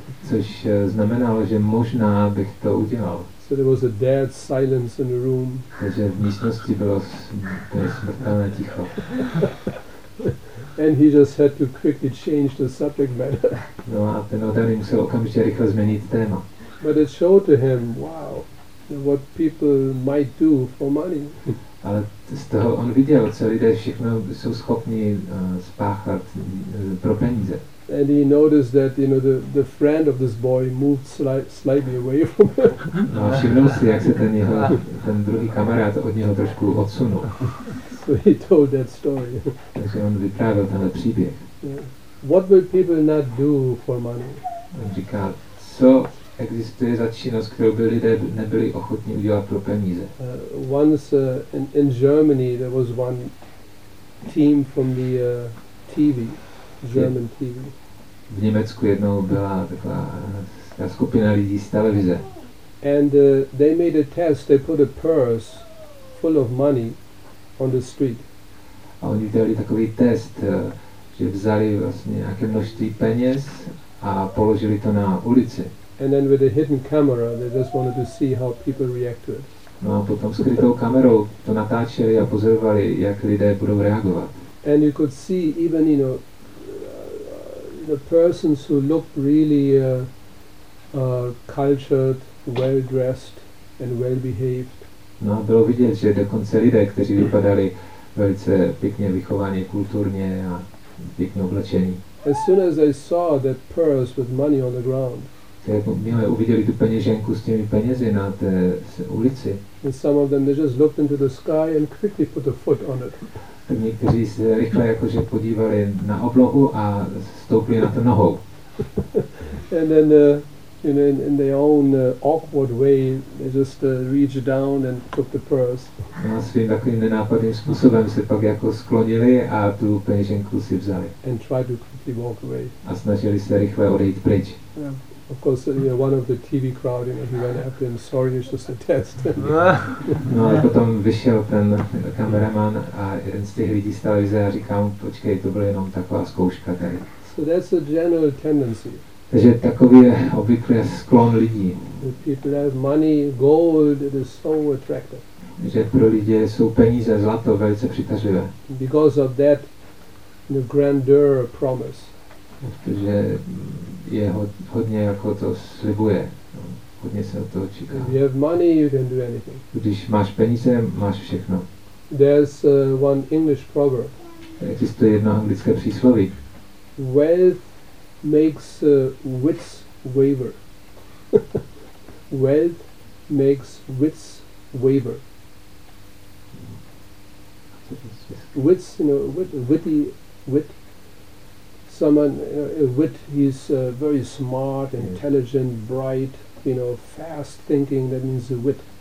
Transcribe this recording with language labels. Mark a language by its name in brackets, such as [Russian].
[Czech] Což znamenalo, že možná bych to udělal. [English] So there was a dead silence in the room. [Czech] Takže v místnosti bylo smrtelné ticho. [English] And he just had to quickly change the subject matter. [Czech] No a ten odhalý musel okamžitě rychle změnit téma. [English] But it showed to him, wow, what people might do for money. [Czech] Ale z toho on viděl, co lidé všechno jsou schopni spáchat pro peníze. [English] And he noticed that, you know, the friend of this boy moved slightly away from him. [Czech] No a všimnul si, jak se ten druhý kamarád od něho trošku odsunul. [English] So he told that story. [Czech] Takže on vyprávil tenhle příběh. [English] Yeah. What will people not do for money? [Czech] On říká, co existuje za činnost, kterou by lidé nebyli ochotní udělat pro peníze. [English] Once in Germany there was one team from the TV, German TV. [Czech] V Německu jednou byla taková skupina lidí z televize. [English] And they made a test, they put a purse full of money on the street. [Czech] A oni dělali takový test, že vzali vlastně nějaké množství peněz a položili to na ulici. [English] And then with a hidden camera, they just wanted to see how people react to it. [Czech] No a potom skrytou kamerou to natáčeli a pozorovali, jak lidé budou reagovat. [English] And you could see even, you know, the persons who looked really cultured, well-dressed and well-behaved. [Czech] No a bylo vidět, že dokonce lidé, kteří vypadali velice pěkně vychovaně, kulturně a pěkně oblečení. [English] As soon as they saw that purse with money on the ground, [Czech] Mimo uviděli tu peněženku s těmi penězi na té ulici. [English] And some of them they just looked into the sky and quickly put a foot on it. [Czech] Tak někteří se rychle jakože podívali na oblohu a stoupili na to nohou. [English] And then you know, in their own awkward way they just reached down and took the purse. [Czech] No a svým takovým nenápadným způsobem se pak jako sklonili a tu peněženku si vzali. [English] And tried to quickly walk away. [Czech] A snažili se rychle odejít pryč. [English] Yeah. Of course, you know, one of the TV crowd, you know, he went after him, sorry, it's just a test. [Czech] No a potom vyšel ten kameraman a jeden z těch lidí z televize a říká mu, počkej, to byla jenom taková zkouška tady. [English] So that's a general tendency. [Czech] Takže takový je obvykle sklon lidí. [English] The people have money, gold, it is so attractive. [Czech] Že pro lidi jsou peníze, zlato, velice přitažlivé. [English] Because of that, the grandeur promise. [Czech] Protože je hodně jako to slibuje, hodně se od toho čeká. [English] If you have money, you can do anything. [Czech] Když máš peníze, máš všechno. [English] There's one English proverb. [Czech] Existuje jedno anglické přísloví. [English] Wealth makes wits waver. Wealth makes wits waver. Wits, you know, witty wit. someone a wit, he's very smart, intelligent, bright, you know, fast thinking, that means a wit.